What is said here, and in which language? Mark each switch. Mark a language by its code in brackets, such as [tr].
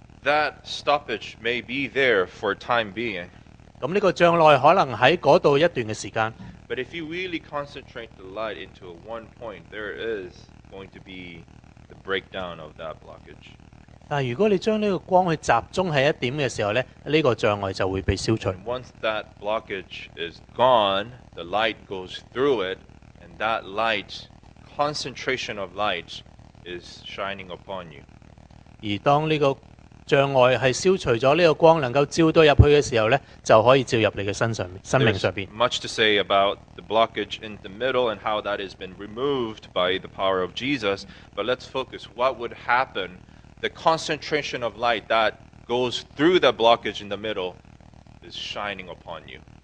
[en] That stoppage may be there for time being. [zh] 这个障碍可能在那里一段的时间。 [en] But if you really concentrate the light into one point, there is going to be the breakdown of that blockage. [zh] 但如果你将这个光去集中在一点的时候，这个障碍就会被消除。 [en] And once that blockage is gone, the light goes through it, and that light, concentration of light, is shining upon you. [zh] 而当这个障碍是消除了这个光能够照到进去的时候，就可以照入你的身上，生命上面。 [en] Much to say about the blockage in the middle and how that has been removed by the power of Jesus, but let's focus what would happen. The concentration of light that goes through the blockage in the middle is shining upon you.